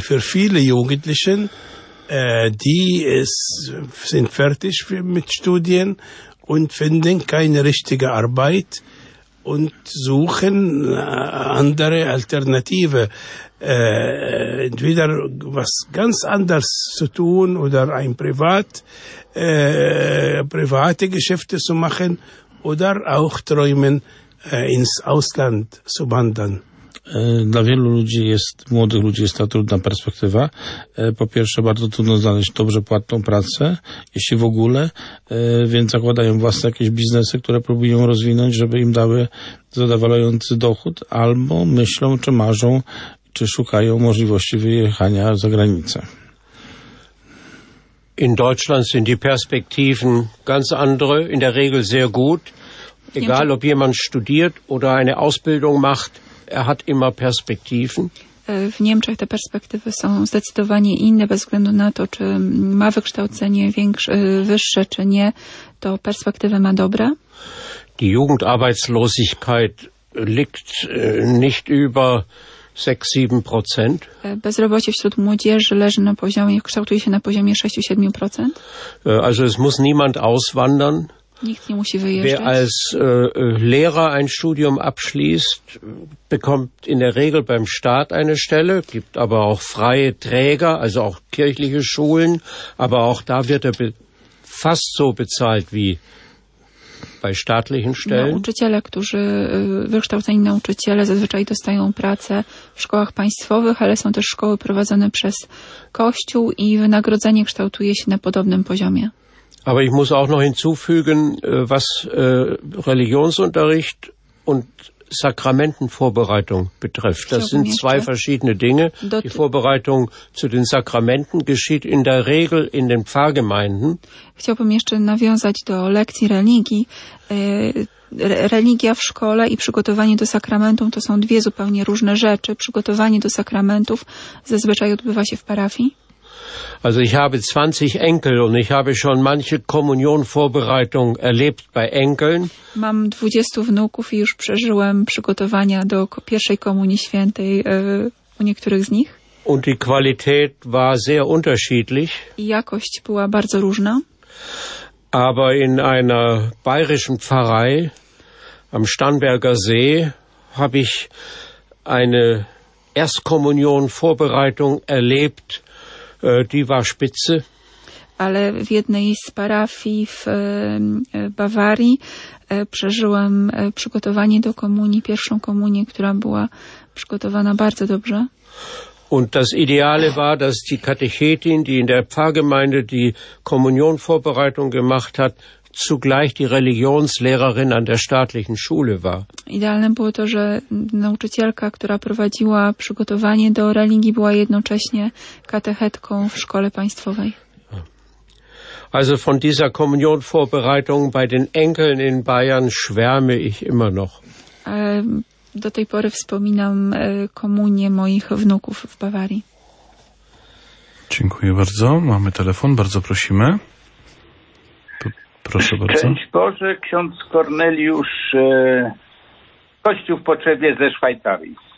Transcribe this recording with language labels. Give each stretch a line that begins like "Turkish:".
German: Für viele Jugendlichen, sind fertig mit Studien und finden keine richtige Arbeit und suchen andere Alternative. Entweder was ganz anderes zu tun oder ein private Geschäfte zu machen oder auch träumen, ins Ausland zu wandern.
Polish: Dla wielu ludzi młodych ludzi jest to trudna perspektywa. Po pierwsze, bardzo trudno znaleźć dobrze płatną pracę, jeśli w ogóle, więc zakładają własne jakieś biznesy, które próbują rozwinąć, żeby im dały zadowalający dochód, albo myślą, czy marzą, czy szukają możliwości wyjechania za granicę.
German: In Deutschland sind die Perspektiven ganz andere, in der Regel sehr gut. Egal, ob jemand studiert oder eine Ausbildung macht, er hat immer Perspektiven.
Polish: W Niemczech te perspektywy są zdecydowanie inne, bez względu na to, czy ma wykształcenie wyższe, czy nie, to perspektywy ma dobre.
German: Die Jugendarbeitslosigkeit liegt nicht über 6-7%.
Polish: Bezrobocie wśród młodzieży leży na poziomie, kształtuje się na poziomie 6-7%.
German: Also es muss niemand auswandern.
Polish: Nikt nie musi wyjeżdżać.
German: Wer als Lehrer ein Studium abschließt, bekommt in der Regel beim Staat eine Stelle, gibt aber auch freie Träger, also auch kirchliche Schulen, aber auch da wird er fast so bezahlt wie bei staatlichen Stellen.
Polish: Nauczyciele, którzy wykształceni nauczyciele zazwyczaj dostają pracę w szkołach państwowych, ale są też szkoły prowadzone przez Kościół i wynagrodzenie kształtuje się na podobnym poziomie.
German: Aber ich muss auch noch hinzufügen, was Religionsunterricht und Sakramentenvorbereitung betrifft. Das sind zwei verschiedene Dinge. Die Vorbereitung zu den Sakramenten geschieht in der Regel in den Pfarrgemeinden.
Polish: Chciałbym jeszcze nawiązać do lekcji religii. Religia w szkole i przygotowanie do sakramentów to są dwie zupełnie różne rzeczy. Przygotowanie do sakramentów zazwyczaj odbywa się w parafii.
German: Also ich habe 20 Enkel und ich habe schon manche Kommunionvorbereitung erlebt bei Enkeln.
Polish: Mam 20 wnuków i już przeżyłem przygotowania do pierwszej komunii świętej u niektórych z nich.
German: Und die Qualität war sehr unterschiedlich.
Polish: Jakość była bardzo różna.
German: Aber in einer bayerischen Pfarrei am Starnberger See habe ich eine Erstkommunionvorbereitung erlebt. Die war spitze.
Polish: Ale w jednej z parafii w Bawarii przeżyłam przygotowanie do komunii, pierwszą komunię, która była przygotowana bardzo dobrze.
German: Und das Ideale war, dass die Katechetin, die in der Pfarrgemeinde die Kommunionvorbereitung gemacht hat, zugleich die Religionslehrerin an der staatlichen Schule war.
Polish: Idealne było to, że nauczycielka, która prowadziła przygotowanie do religii, była jednocześnie katechetką w szkole państwowej.
German: Also von dieser Kommunionvorbereitung bei den Enkeln in Bayern schwärme ich immer noch.
Polish: Do tej pory wspominam komunię moich wnuków w Bawarii. Dziękuję bardzo. Mamy telefon, bardzo prosimy. Proszę bardzo. Szczęść Boże, ksiądz Korneliusz, Kościół w potrzebie ze Szwajcarii.